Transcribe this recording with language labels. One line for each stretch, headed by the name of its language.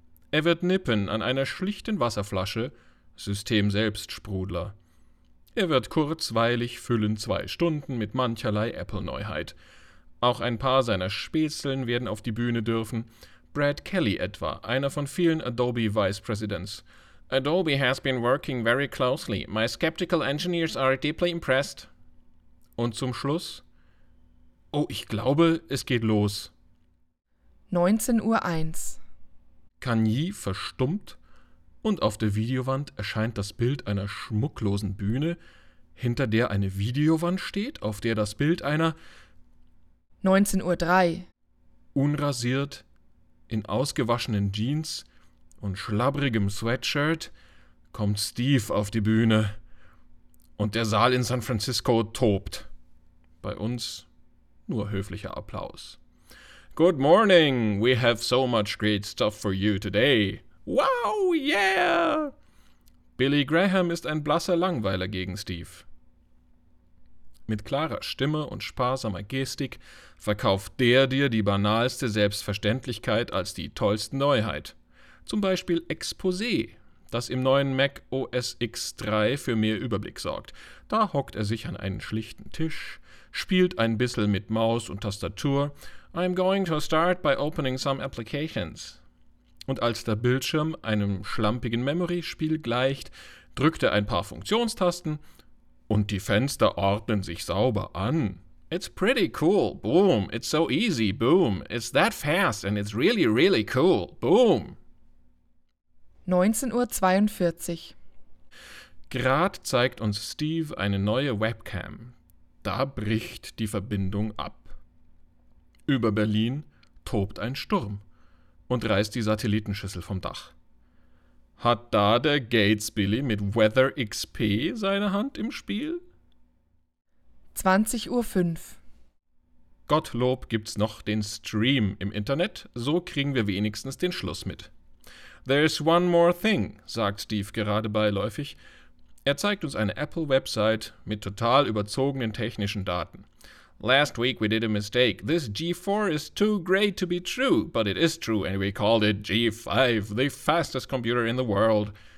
German: Er wird nippen an einer schlichten Wasserflasche, System selbst Sprudler. Er wird kurzweilig füllen 2 Stunden mit mancherlei Apple-Neuheit. Auch ein paar seiner Späßeln werden auf die Bühne dürfen. Brad Kelly etwa, einer von vielen Adobe Vice Presidents.
English: Adobe has been working very closely. My skeptical engineers are deeply impressed.
German: Und zum Schluss? Oh, ich glaube, es geht los. 19.01 Uhr. Cagny verstummt und auf der Videowand erscheint das Bild einer schmucklosen Bühne, hinter der eine Videowand steht, auf der das Bild einer 19.03 Uhr unrasiert, in ausgewaschenen Jeans und schlabbrigem Sweatshirt kommt Steve auf die Bühne und der Saal in San Francisco tobt. Bei uns nur höflicher Applaus.
English: Good morning, we have so much great stuff for you today. Wow, yeah!
German: Billy Graham ist ein blasser Langweiler gegen Steve. Mit klarer Stimme und sparsamer Gestik verkauft der dir die banalste Selbstverständlichkeit als die tollste Neuheit. Zum Beispiel Exposé, das im neuen Mac OS X 3 für mehr Überblick sorgt. Da hockt er sich an einen schlichten Tisch, spielt ein bisschen mit Maus und Tastatur.
English: I'm going to start by opening some applications.
German: Und als der Bildschirm einem schlampigen Memory-Spiel gleicht, drückt er ein paar Funktionstasten und die Fenster ordnen sich sauber an.
English: It's pretty cool. Boom. It's so easy. Boom. It's that fast and it's really, really cool. Boom.
German: 19.42 Uhr. Grad zeigt uns Steve eine neue Webcam. Da bricht die Verbindung ab. Über Berlin tobt ein Sturm und reißt die Satellitenschüssel vom Dach. Hat da der Gates-Billy mit Weather XP seine Hand im Spiel? 20.05 Uhr. Gottlob gibt's noch den Stream im Internet, so kriegen wir wenigstens den Schluss mit.
English: There's one more thing,
German: sagt Steve gerade beiläufig. Er zeigt uns eine Apple-Website mit total überzogenen technischen Daten.
English: Last week we did a mistake. This G4 is too great to be true, but it is true and we called it G5, the fastest computer in the world.